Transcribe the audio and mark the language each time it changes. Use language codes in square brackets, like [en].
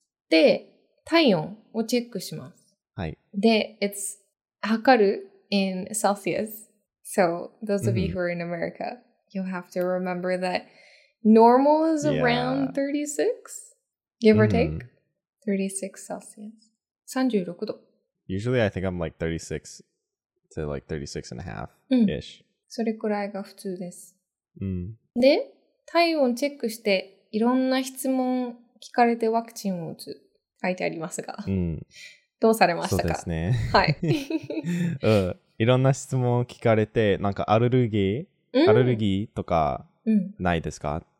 [ja] で、体温をチェックします。 [en] で、it's 測る in Celsius. So, those of you who are in America, you'll have to remember that normal is around 36, give or take. 36 Celsius. 36 度. Usually, I think I'm like 36 to like 36 and a half-ish. [ja] それくらいが普通です。 Mm. で、体温チェックしていろんな質問聞かれてワクチンを打つ書いてありますが。どうされましたか？そうですね。はい。うん。いろんな質問を聞かれて、なんかアレルギーとか、ないですか？